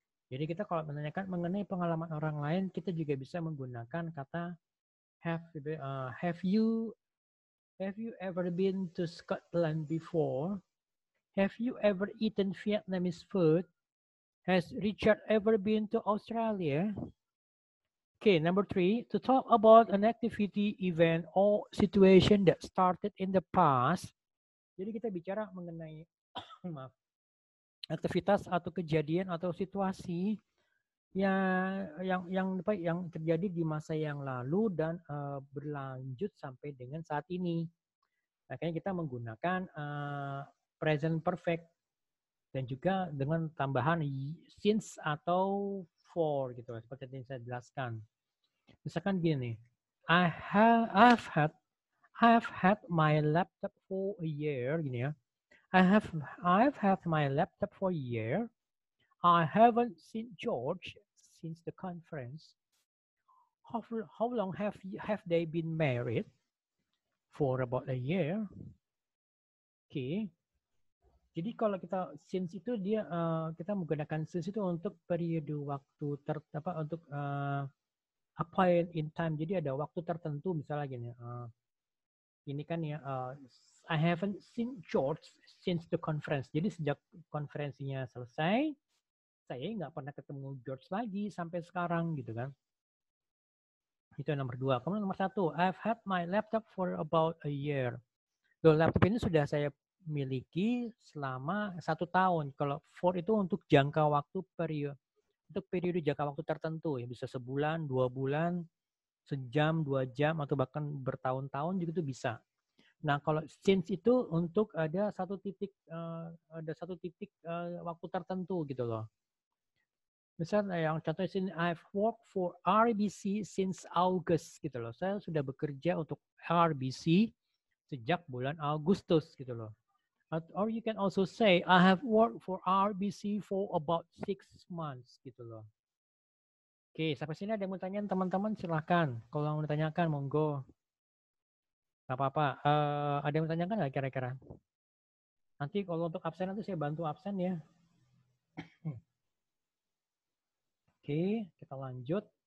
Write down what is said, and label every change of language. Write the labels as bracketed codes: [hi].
[id] Jadi kita kalau menanyakan mengenai pengalaman orang lain, kita juga bisa menggunakan kata [en] have you ever been to Scotland before? Have you ever eaten Vietnamese food? Has Richard ever been to Australia? Okay, number three, to talk about an activity, event, or situation that started in the past. [id] Jadi kita bicara mengenai aktivitas atau kejadian atau situasi yang terjadi di masa yang lalu dan berlanjut sampai dengan saat ini. Makanya kita menggunakan present perfect dan juga dengan tambahan since atau for gitu seperti yang saya jelaskan. Misalkan gini, [en] I've had my laptop for a year [id] gini ya. [en] I've had my laptop for a year. I haven't seen George since the conference. How long have they been married? For about a year. Okay. [id] Jadi kalau kita since itu dia kita menggunakan since itu untuk periode waktu untuk [en] appointed in time. [id] Jadi ada waktu tertentu misalnya gini. Ini kan ya, [en] I haven't seen George since the conference. [id] Jadi sejak konferensinya selesai, saya nggak pernah ketemu George lagi sampai sekarang gitu kan. Itu nomor dua. Kemudian nomor satu, [en] I've had my laptop for about a year. [id] The laptop ini sudah saya miliki selama satu tahun. Kalau for itu untuk jangka waktu periode. Untuk periode jangka waktu tertentu. Ya bisa sebulan, dua bulan, sejam, dua jam, atau bahkan bertahun-tahun juga itu bisa. Nah kalau since itu untuk ada satu titik waktu tertentu gitu loh. Misalnya yang contohnya sini, [en] I've worked for RBC since August [id] gitu loh. Saya sudah bekerja untuk RBC sejak bulan Agustus gitu loh. [en] Or you can also say, I have worked for RBC for about 6 months [id] gitu loh. Oke, sampai sini ada pertanyaan teman-teman silahkan. Kalau yang mau ditanyakan, monggo. Gak apa-apa. Ada yang ditanyakan gak kira-kira? Nanti kalau untuk absen nanti saya bantu absen ya. Oke, kita lanjut.